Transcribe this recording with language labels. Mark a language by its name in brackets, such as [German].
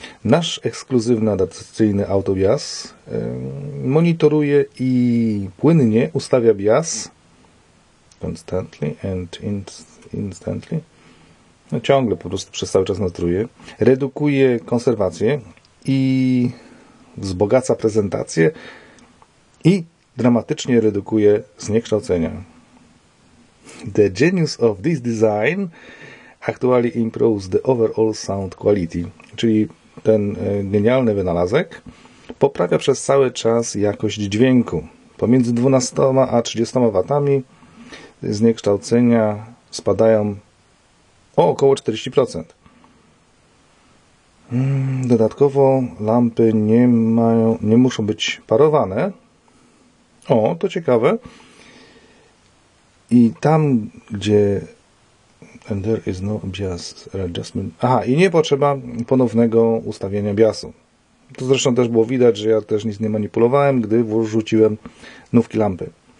[Polish] Nasz ekskluzywny adaptacyjny autobias monitoruje i płynnie ustawia bias [English] constantly and instantly. [Polish] No ciągle po prostu przez cały czas nastruje. Redukuje konserwację i wzbogaca prezentację i dramatycznie redukuje zniekształcenia. [English] The genius of this design actually improves the overall sound quality. [Polish] Czyli ten genialny wynalazek poprawia przez cały czas jakość dźwięku. Pomiędzy 12 a 30 watami zniekształcenia spadają o około 40%. Dodatkowo lampy nie muszą być parowane. O, to ciekawe. I tam, gdzie... [English] And there is no bias adjustment. [Polish] Aha, i nie potrzeba ponownego ustawienia biasu. To zresztą też było widać, że ja też nic nie manipulowałem, gdy wrzuciłem nówki lampy.